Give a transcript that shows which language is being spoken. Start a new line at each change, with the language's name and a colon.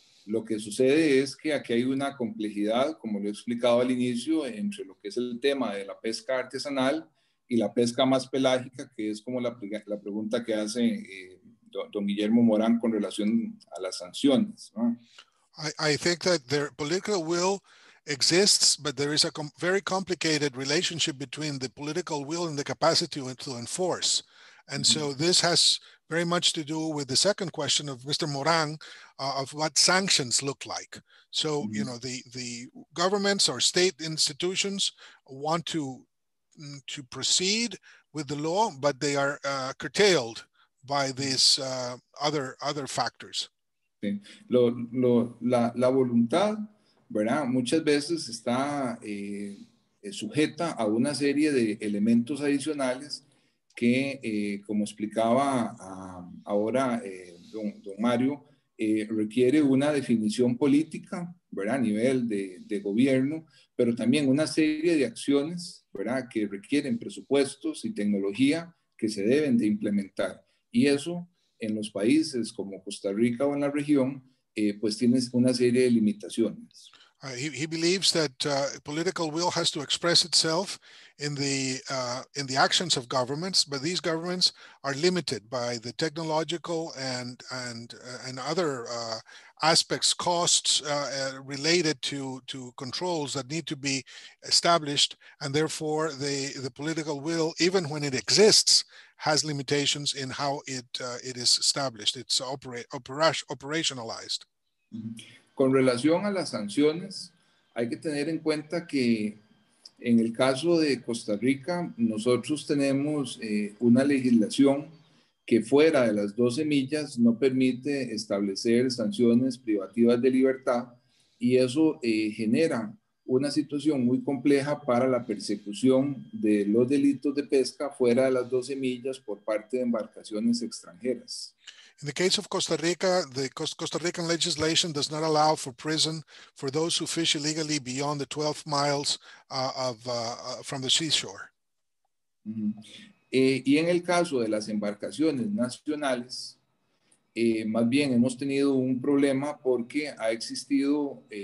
Spanish: Lo que sucede es que aquí hay una complejidad, como lo he explicado al inicio, entre lo que es el tema de la pesca artesanal y la pesca más pelágica, que es como la pregunta que hace don Guillermo Morán con relación a las sanciones, ¿no?
English: I think that their political will exists, but there is a very complicated relationship between the political will and the capacity to enforce. And mm-hmm. So this has very much to do with the second question of Mr. Morán, of what sanctions look like. So, mm-hmm. you know, the governments or state institutions want to proceed with the law, but they are curtailed by these other factors.
Spanish: Sí. La voluntad, ¿verdad? Muchas veces está sujeta a una serie de elementos adicionales que, como explicaba ahora don Mario, requiere una definición política, ¿verdad? A nivel de gobierno, pero también una serie de acciones, ¿verdad? Que requieren presupuestos y tecnología que se deben de implementar. Y eso en los países como Costa Rica o en la región, pues tiene una serie de limitaciones.
English: He believes that political will has to express itself in the actions of governments, but these governments are limited by the technological and other aspects, costs related to controls that need to be established, and therefore the political will, even when it exists, has limitations in how it is established. It's operationalized. Mm-hmm.
Spanish: Con relación a las sanciones, hay que tener en cuenta que en el caso de Costa Rica, nosotros tenemos una legislación que fuera de las 12 millas no permite establecer sanciones privativas de libertad, y eso genera una situación muy compleja para la persecución de los delitos de pesca fuera de las 12 millas por parte de embarcaciones extranjeras.
English: In the case of Costa Rica, the Costa Rican legislation does not allow for prison for those who fish illegally beyond the 12 miles from the seashore. Mm-hmm.
Spanish: Y en el caso de las embarcaciones nacionales, más bien hemos tenido un problema porque ha existido,